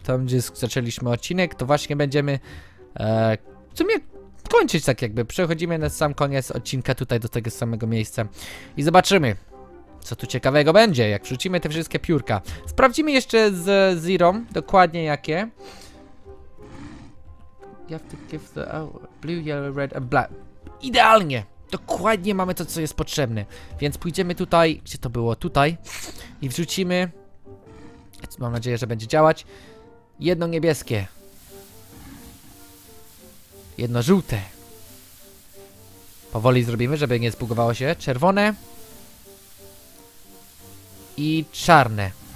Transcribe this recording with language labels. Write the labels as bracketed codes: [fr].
[pl] Tam, gdzie zaczęliśmy odcinek, to właśnie będziemy w sumie kończyć tak jakby. Przechodzimy na sam koniec odcinka tutaj do tego samego miejsca. I zobaczymy, co tu ciekawego będzie, jak wrzucimy te wszystkie piórka. Sprawdzimy jeszcze z Zero dokładnie jakie. [en] You have to give the blue, yellow, red and black. [pl] Idealnie! Dokładnie mamy to, co jest potrzebne. Więc pójdziemy tutaj, gdzie to było? Tutaj. I wrzucimy, mam nadzieję, że będzie działać, jedno niebieskie, jedno żółte. Powoli zrobimy, żeby nie zbugowało się. Czerwone i czarne.